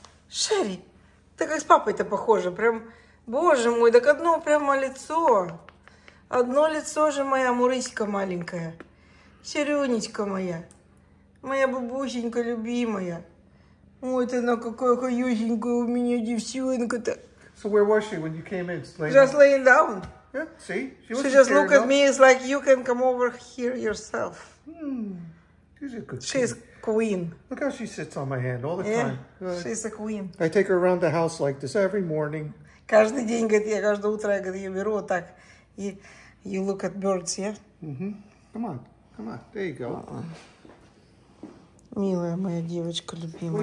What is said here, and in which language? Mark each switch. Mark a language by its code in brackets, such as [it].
[ru] Шерри, ты как с папой-то похожа, прям, боже мой, так одно прямо лицо, одно лицо же моя мурысика маленькая, Серёнечка моя бабусенька любимая, ой, ты на какая хаюсенькая у меня девчонка-то. [en] So where was she when you came in? Just laying down. Yeah, see? She just looked at me, it's like you can come over here yourself. She's a good kid. Queen. Look how she sits on my hand all the time. Good. She's a queen. I take her around the house like this every morning. [ru] Каждый день, говорит, я каждое утро, я говорю, я беру вот так. [en] И you look at birds, yeah? Mm-hmm. Come on. There you go. Uh-huh. [ru] Милая моя девочка любимая.